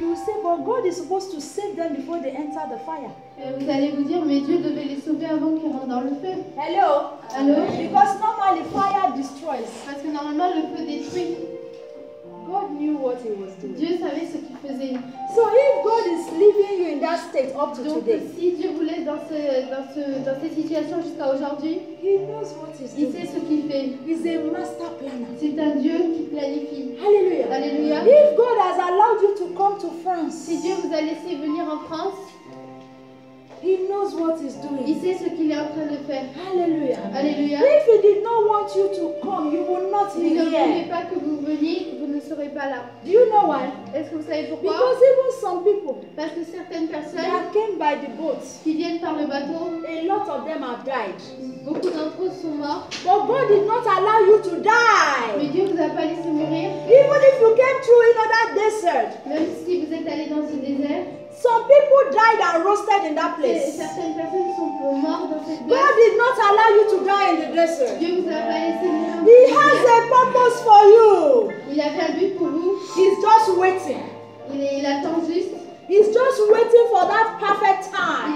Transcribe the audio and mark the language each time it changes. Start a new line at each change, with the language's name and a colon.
English: you will say, but God is supposed to save them before they enter the fire.
French: Vous allez vous dire, mais Dieu devait les sauver avant qu'ils rentrent dans le feu.
English: Hello. Hello. Because normally fire destroys.
French: Parce que normalement le feu détruit.
English: God knew what he was doing.
French: Dieu savait ce qu'il faisait.
English: So if God is leaving you in that state up to
French: donc,
English: today,
French: si Dieu vous laisse dans cette situation jusqu'à aujourd'hui,
English: he knows what he's
French: doing. Il sait ce qu'il fait.
English: He's a master planner.
French: C'est un Dieu qui planifie.
English: Hallelujah.
French: Hallelujah.
English: If God has allowed you to come to France,
French: si Dieu vous a laissé venir en France,
English: he knows what he's doing.
French: Il sait ce qu'il est en train de faire.
English: Hallelujah.
French: Hallelujah.
English: If he did not want you to come, you will not be here.
French: Il ne voulait pas que vous veniez, vous ne serez pas là.
English: Do you know why?
French: Est-ce que vous savez pourquoi?
English: Because even some people,
French: parce que certaines personnes,
English: that came by the boat,
French: qui viennent par le bateau,
English: a lot of them have died.
French: Beaucoup d'entre eux sont morts.
English: But God did not allow you to die.
French: Mais Dieu vous a pas laissé mourir.
English: Even if you came through another desert,
French: même si vous êtes allé dans ce désert.
English: Some people died and roasted in that place.
French: Certaines personnes sont mortes dans cette place.
English: God did not allow you to die in the desert.
French: Dieu vous a pas laissé mourir.
English: He has a purpose for you.
French: Il avait un but pour vous.
English: He's just waiting.
French: Il attend juste.
English: He's just waiting for that perfect time.